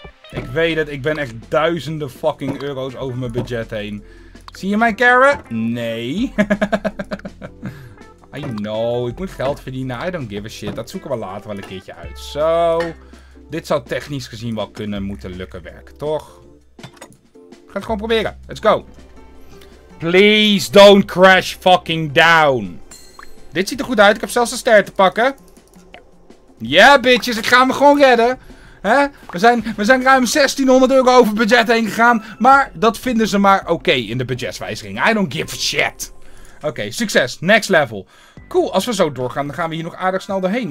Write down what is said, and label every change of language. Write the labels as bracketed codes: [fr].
[nl] Ik weet het. Ik ben echt duizenden fucking euro's over mijn budget heen. Zie je mijn carrot? Nee. [en] I know. [nl] Ik moet geld verdienen. [en] I don't give a shit. [nl] Dat zoeken we later wel een keertje uit. Zo. Dit zou technisch gezien wel kunnen moeten lukken werken. Toch? Ik ga het gewoon proberen. [en] Let's go. Please don't crash fucking down. [nl] Dit ziet er goed uit. Ik heb zelfs een ster te pakken. Ja, yeah, bitches, ik ga me gewoon redden. Hè? We zijn ruim 1600 euro over budget heen gegaan. Maar dat vinden ze maar oké in de budgetwijziging. [en] I don't give a shit. [nl] Oké, succes. Next level. Cool, als we zo doorgaan, dan gaan we hier nog aardig snel doorheen.